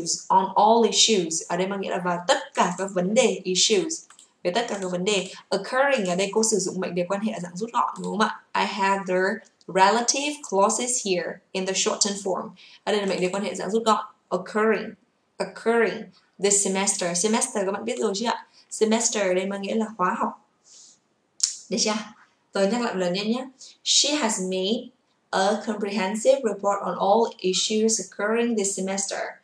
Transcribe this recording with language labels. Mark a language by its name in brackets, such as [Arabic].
[English] On all issues, [Vietnamese] ở đây mang nghĩa là vào tất cả các vấn đề, issues, về tất cả các vấn đề. Occurring, ở đây cô sử dụng mệnh đề quan hệ ở dạng rút gọn, đúng không ạ? [English] I have the relative clauses here in the shortened form. [Vietnamese] Ở đây là mệnh đề quan hệ dạng rút gọn, [English] occurring, this semester. [Vietnamese] Semester, các bạn biết rồi chứ ạ? Semester ở đây mang nghĩa là khóa học. Được chưa? Tôi nhắc lại một lần nhanh nhé. [English] She has made a comprehensive report on all issues occurring this semester.